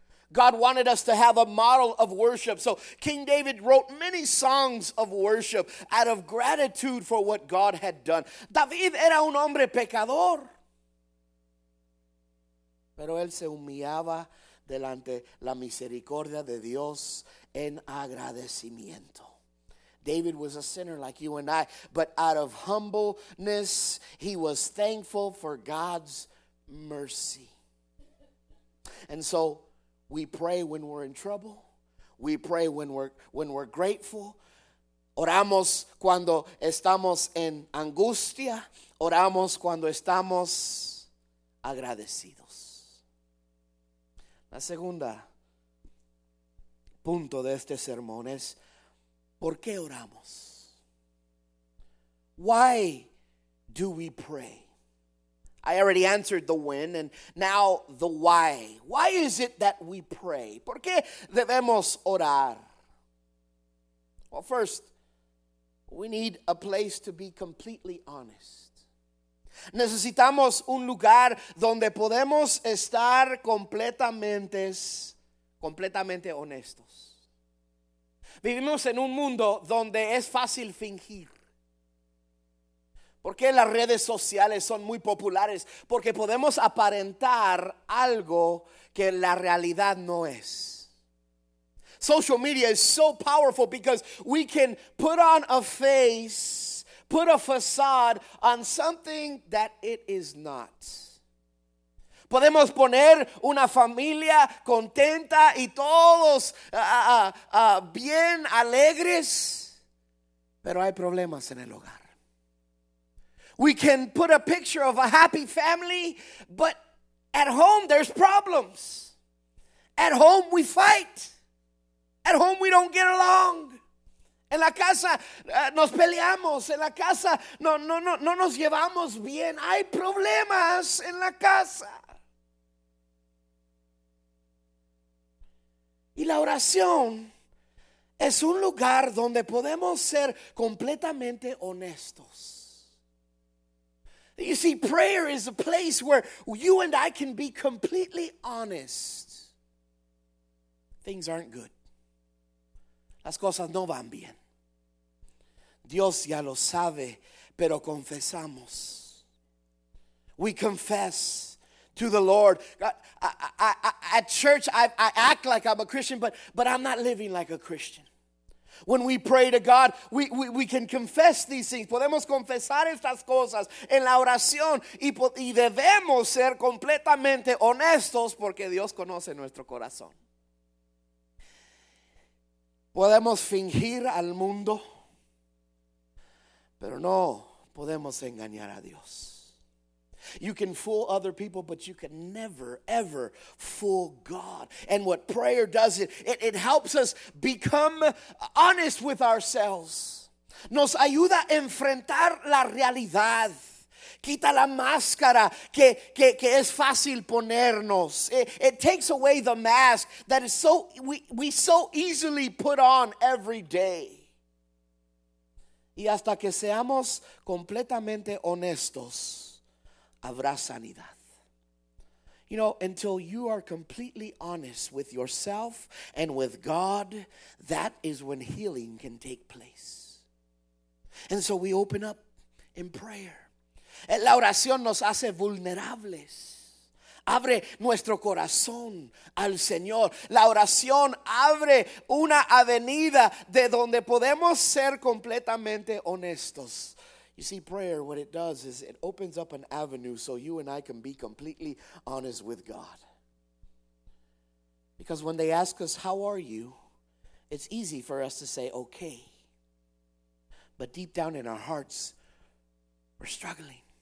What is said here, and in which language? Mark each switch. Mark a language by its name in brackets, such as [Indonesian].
[English] God wanted us to have a model of worship. So King David wrote many songs of worship out of gratitude for what God had done. [Spanish] David era un hombre pecador, pero él se humillaba delante la misericordia de Dios en agradecimiento. [English] David was a sinner like you and I, but out of humbleness, he was thankful for God's mercy. And so we pray when we're in trouble. We pray when we're grateful. [Spanish] Oramos cuando estamos en angustia. Oramos cuando estamos agradecidos. La segunda punto de este sermón es, ¿por qué oramos? [English] Why do we pray? I already answered the when, and now the why. Why is it that we pray? [Spanish] ¿Por qué debemos orar? [English] Well, first, we need a place to be completely honest. [Spanish] Necesitamos un lugar donde podemos estar completamente honestos. Vivimos en un mundo donde es fácil fingir. ¿Por qué las redes sociales son muy populares? Porque podemos aparentar algo que la realidad no es. [English] Social media is so powerful because we can put on a face, put a facade on something that it is not. [Spanish] Podemos poner una familia contenta y todos bien alegres, pero hay problemas en el hogar. [English] We can put a picture of a happy family, but at home there's problems. At home we fight. At home we don't get along. [Spanish] En la casa nos peleamos, en la casa no nos llevamos bien. Hay problemas en la casa. Y la oración es un lugar donde podemos ser completamente honestos. [English] You see, prayer is a place where you and I can be completely honest. Things aren't good. [Spanish] Las cosas no van bien. Dios ya lo sabe, pero confesamos. [English] We confess to the Lord. At church, I act like I'm a Christian, but I'm not living like a Christian. When we pray to God, we can confess these things. [Spanish] Podemos confesar estas cosas en la oración y debemos ser completamente honestos porque Dios conoce nuestro corazón. Podemos fingir al mundo, pero no podemos engañar a Dios. [English] You can fool other people, but you can never, ever fool God. And what prayer does, it helps us become honest with ourselves. [Spanish] Nos ayuda a enfrentar la realidad. Quita la máscara que es fácil ponernos. [English] It takes away the mask that is so we so easily put on every day. [Spanish] Y hasta que seamos completamente honestos, habrá sanidad. [English] You know, until you are completely honest with yourself and with God, that is when healing can take place. And so we open up in prayer. [Spanish] La oración nos hace vulnerables. Abre nuestro corazón al Señor. La oración abre una avenida de donde podemos ser completamente honestos. [English] You see, prayer, what it does is it opens up an avenue so you and I can be completely honest with God. Because when they ask us, how are you? It's easy for us to say, okay. But deep down in our hearts, we're struggling.